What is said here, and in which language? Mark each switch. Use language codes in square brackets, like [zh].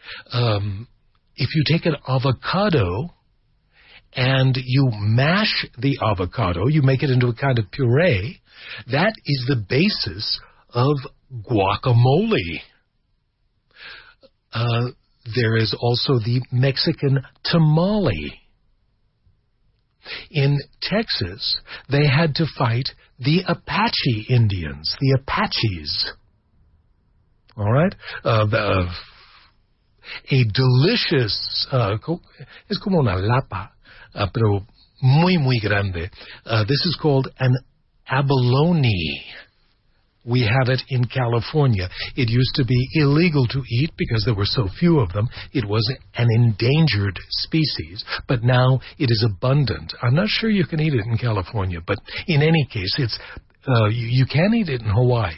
[en] If you take an avocado and you mash the avocado, you make it into a kind of puree, that is the basis of guacamole. There is also the Mexican tamale. In Texas, they had to fight the Apache Indians, the Apaches. All right? A delicious, [es] es como una lapa, pero muy, muy grande. [en] This is called an abalone. We have it in California. It used to be illegal to eat because there were so few of them. It was an endangered species, but now it is abundant. I'm not sure you can eat it in California, but in any case, it's you can eat it in Hawaii.